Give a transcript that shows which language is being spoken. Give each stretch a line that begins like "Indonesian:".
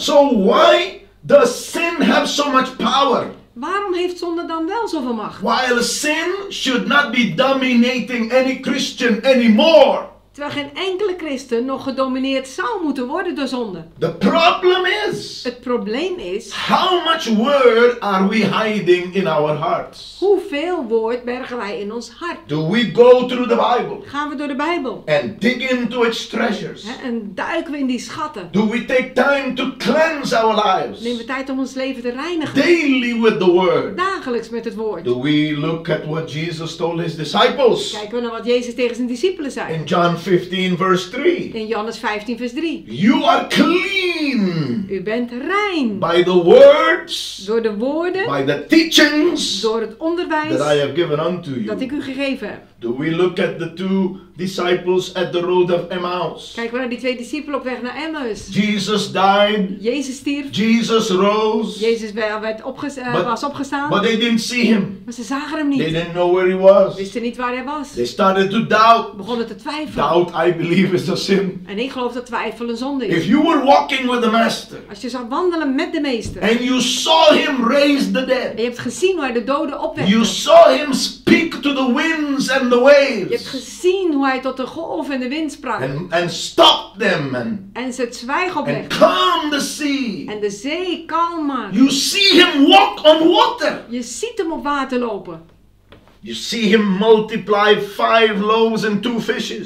English: So why does sin have so much power?
Dutch: Waarom heeft zonde dan wel zoveel macht?
English: While sin should not be dominating any Christian anymore.
Dutch: Terwijl geen enkele christen nog gedomineerd zou moeten worden door zonde.
English: The problem is.
Dutch: Het probleem is.
English: How much word are we hiding in our hearts?
Dutch: Hoeveel woord bergen wij in ons hart?
English: Do we go through the Bible?
Dutch: Gaan we door de Bijbel?
English: And dig into its treasures.
Dutch: En duiken we in die schatten?
English: Do we take time to cleanse our lives?
Dutch: Neem we tijd om ons leven te reinigen?
English: Daily with the word.
Dutch: Dagelijks met het woord.
English: Do we look at what Jesus told his disciples?
Dutch: Kijken we naar wat Jezus tegen zijn discipelen zei?
English: In John 15 verse 3.
Dutch: In Johannes 15 vers 3.
English: You are clean.
Dutch: U bent rein.
English: By the words.
Dutch: Door de woorden.
English: By the teachings.
Dutch: Door het onderwijs.
English: That I have given unto you.
Dutch: Dat ik u gegeven heb.
English: Do we look at the two disciples at the road of Emmaus?
Dutch: Kijken we naar die twee discipelen op weg naar Emmaus.
English: Jesus died.
Dutch: Jezus stierf.
English: Jesus rose.
Dutch: Jezus was opgestaan.
English: But they didn't see him.
Dutch: Maar ze zagen hem niet.
English: They didn't know where he was.
Dutch: Wisten niet waar hij was.
English: They started to doubt.
Dutch: Begonnen te twijfelen.
English: Doubt, I believe, is a sin.
Dutch: En ik geloof dat twijfel een zonde is.
English: If you were walking with the master.
Dutch: Als je zou wandelen met de meester.
English: And you saw him raise the dead.
Dutch: En je hebt gezien hoe hij de doden opwekte.
English: You saw him speak to the winds and the waves.
Dutch: Je hebt gezien hoe hij tot de golf en de wind sprak.
English: And stop them. And,
Dutch: en ze het zwijgen oplegde.
English: And calm the sea.
Dutch: En de zee kalm maken.
English: You see him walk on water.
Dutch: Je ziet hem op water lopen.
English: You see him multiply 5 loaves and 2 fishes.